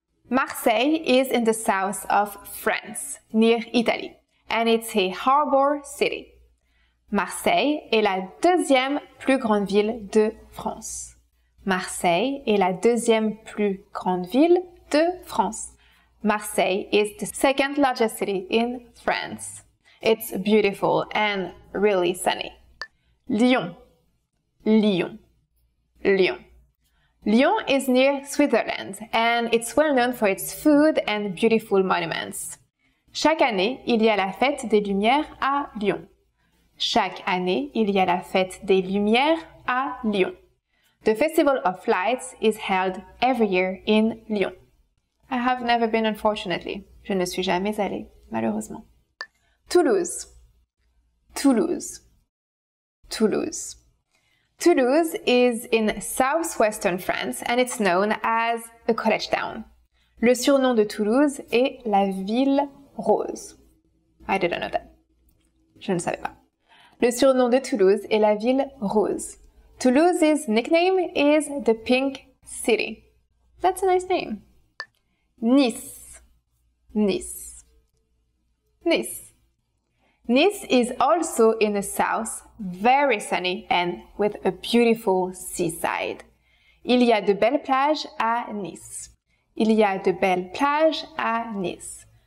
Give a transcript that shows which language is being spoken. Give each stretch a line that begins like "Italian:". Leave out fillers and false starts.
English: Marseille is in the south of France, near Italy, and it's a harbor city.
French: Marseille est la deuxième plus grande ville de France. Marseille est la deuxième plus grande ville de France.
English: Marseille is the second largest city in France. It's beautiful and really sunny. Lyon. Lyon. Lyon is near Switzerland and it's well known for its food and beautiful monuments.
French: Chaque année, il y a la fête des Lumières à Lyon. Chaque année, il y a la fête des Lumières à Lyon.
English: The Festival of Lights is held every year in Lyon. I have never been, unfortunately.
French: Je ne suis jamais allée, malheureusement.
English: Toulouse. Toulouse. Toulouse. Toulouse is in southwestern France and it's known as a college town.
French: Le surnom de Toulouse est la ville rose.
English: I didn't know that.
French: Je ne savais pas. Le surnom de Toulouse est la ville rose.
English: Toulouse's nickname is the Pink City. That's a nice name. Nice. Nice. Nice. Nice is also in the south, very sunny and with a beautiful seaside.
French: Il y a de belles plages à Nice. Il y a de belles plages à Nice.